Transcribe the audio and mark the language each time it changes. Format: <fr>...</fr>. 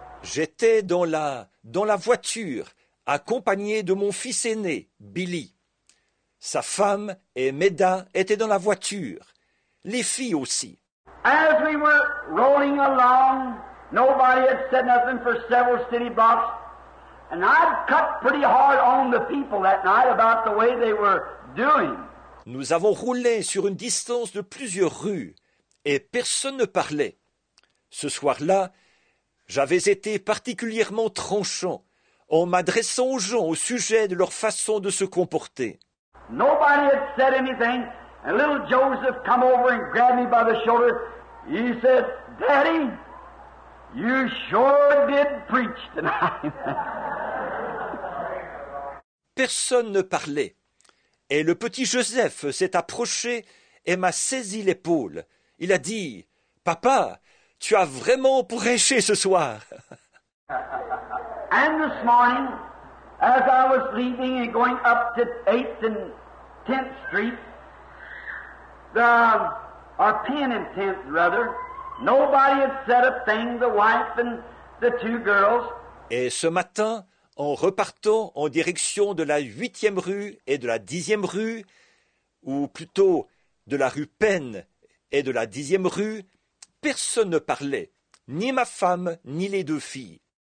<fr>J'étais dans la voiture, accompagné de mon fils aîné, Billy. Sa femme et Meda étaient dans la voiture, les filles aussi.</fr> <en>As we were rolling along, nobody had said nothing for several city blocks. And I'd cut pretty hard on the people that night about the way they were doing.</en> <fr>Nous avons roulé sur une distance de plusieurs rues et personne ne parlait. Ce soir-là, j'avais été particulièrement tranchant en m'adressant aux gens au sujet de leur façon de se comporter.</fr> <en>Nobody had said anything, and little Joseph come over and grabbed me by the shoulder. He said, "Daddy, you sure did preach tonight."</en> <fr>Personne ne parlait, et le petit Joseph s'est approché et m'a saisi l'épaule. Il a dit, "Papa, tu as vraiment prêché ce soir."</fr> <en>And this morning, as I was leaving and going up to 8th and 10th Street, or 10 and 10th rather, nobody had said a thing, the wife and the two girls.</en> <fr>Et ce matin, en repartant en direction de la 8e rue et de la 10e rue, ou plutôt de la rue Penn et de la 10e rue, personne ne parlait, ni ma femme, ni les deux filles.</fr>